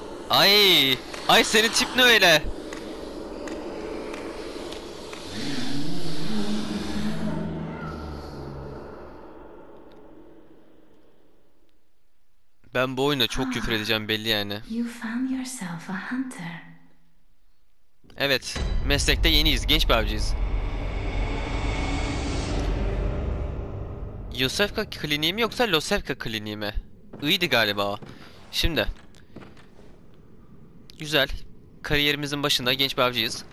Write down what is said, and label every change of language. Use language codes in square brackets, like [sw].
[tr] Ay, ay senin tip ne öyle? Ben bu oyuna çok küfür edeceğim belli yani. [en] You found yourself a hunter. [tr] Evet, meslekte yeniyiz, genç bir avcıyız. Yosefka Kliniği mi yoksa Losefka Kliniği mi? İyiydi galiba. Şimdi. Güzel. Kariyerimizin başında genç bir avcıyız.